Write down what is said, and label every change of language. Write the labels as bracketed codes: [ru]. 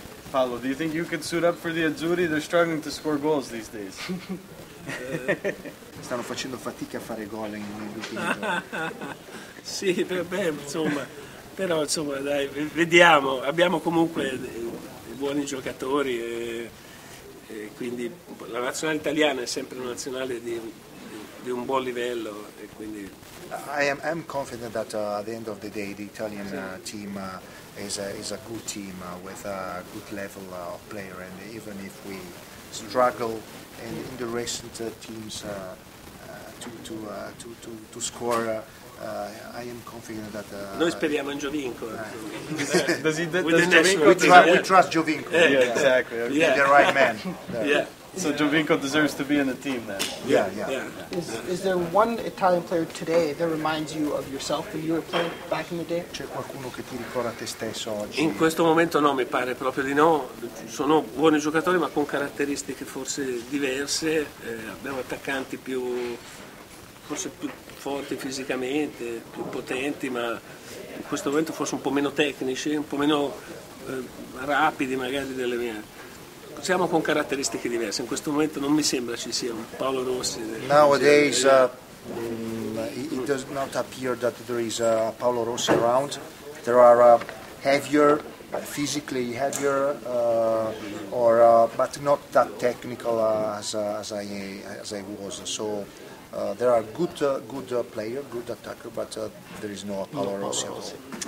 [en] Paolo, do you think you could suit up for the Azzurri? They're struggling to score goals these days. [it] Stanno facendo fatica a fare gol in un'ultima. Sì, beh, insomma, però insomma, dai, vediamo. Abbiamo comunque dei buoni giocatori e quindi la nazionale italiana è sempre una nazionale di un buon livello e quindi. [en] I'm confident that at the end of the day the Italian team is a good team with a good level of player, and even if we struggle in the recent teams to score, I am confident that. [it] Noi speriamo in Jovinko. [en] We trust Jovinko. Yeah, yeah, exactly. Yeah. The right man. Yeah. So Jovinko deserves to be in the team then. Yeah. Is there one Italian player today that reminds you of yourself when you were playing back in the day? [it] C'è qualcuno che ti ricorda te stesso oggi? In questo momento no, mi pare proprio di no. Sono buoni giocatori ma con caratteristiche forse diverse. Abbiamo attaccanti più forse più forti fisicamente, più potenti, ma in questo momento forse un po' meno tecnici, un po' meno rapidi magari delle mie. Siamo con caratteristiche diverse. In questo momento non mi sembra ci sia un Paolo Rossi. [en] Nowadays it does not appear that there is a Paolo Rossi around. There are heavier, physically heavier, but not that technical as I was. So there are good player, good attacker, but there is no Paolo Rossi at all.